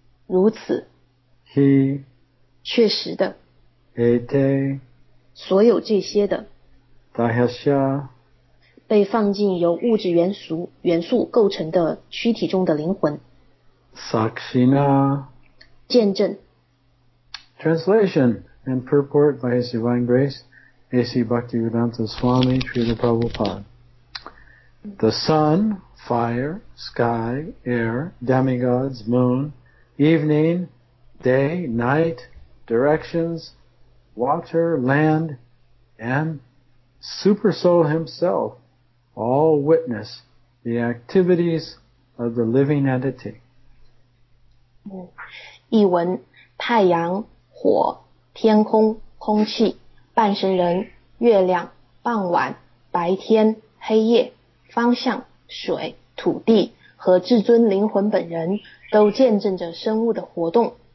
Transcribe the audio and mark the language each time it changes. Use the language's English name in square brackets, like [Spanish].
[Chinese] 如此 [Sanskrit] He [Chinese] 确实的 [Sanskrit] Ete [Chinese] 所有这些的 [Sanskrit] Dahasya [Chinese] 被放进由物质元素构成的躯体中的灵魂 [Sanskrit] Sakshina [Chinese] 见证 [English] Translation and purport by His Divine Grace A.C. Bhaktivedanta Swami Srila Prabhupada. The sun, fire, sky, air, demigods, moon, evening, day, night, directions, water, land, and Super Soul himself all witness the activities of the living entity. [Chinese] 译文：太阳、火、天空、空气、半神人、月亮、傍晚、白天、黑夜、方向、水、土地和至尊灵魂本人都见证着生物的活动。